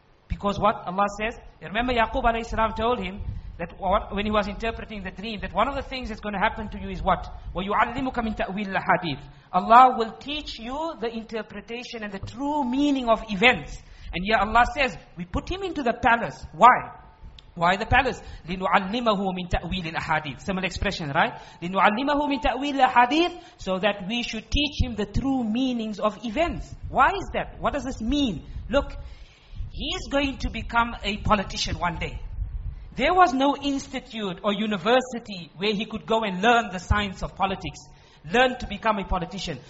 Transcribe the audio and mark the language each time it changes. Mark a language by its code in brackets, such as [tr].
[en] Because what Allah says, remember Yaqub alayhi salam told him that when he was interpreting the dream, that one of the things that's going to happen to you is what? وَيُعَلِّمُكَ مِنْ تَأْوِيلِ الْأَحَادِيثِ Allah will teach you the interpretation and the true meaning of events. And here Allah says, we put him into the palace. Why? Why the palace? [ar] لِنُعَلِّمَهُ مِنْ تَأْوِيلِ الْأَحَادِيثِ Similar expression, right? [en] لِنُعَلِّمَهُ مِنْ تَأْوِيلِ الْأَحَادِيثِ So that we should teach him the true meanings of events. Why is that? What does this mean? Look, he's going to become a politician one day. There was no institute or university where he could go and learn the science of politics, learn to become a politician.